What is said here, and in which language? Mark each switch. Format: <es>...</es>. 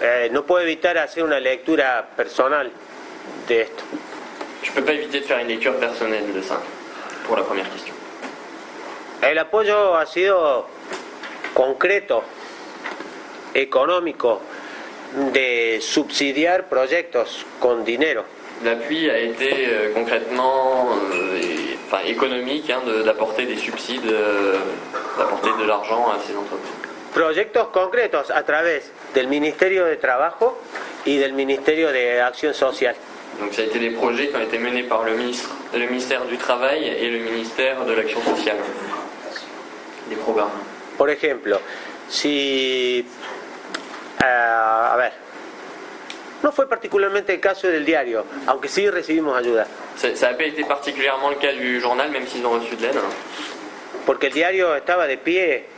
<es>No puedo evitar hacer una lectura personal de esto.</es> <fr>Je peux pas éviter de faire une lecture personnelle de ça, pour la première question.</fr> <es>El apoyo ha sido concreto, económico, de subsidiar proyectos con dinero.</es> <fr>L'appui a été concrètement économique d'apporter des subsides d'apporter de l'argent à ces entreprises.</fr> <es>Proyectos concretos a través del Ministerio de Trabajo y del Ministerio de Acción Social.</es> <fr>Donc ça a été des projets qui ont été menés par le ministère du Travail et le ministère de l'Action Sociale. Des programmes.</fr> <es>Por ejemplo, si a ver, no fue particularmente el caso del diario, aunque sí recibimos ayuda.</es> <fr>Ça a pas été particulièrement le cas du journal, même s'ils ont reçu de l'aide.</fr> <es>Porque el diario estaba de pie.</es>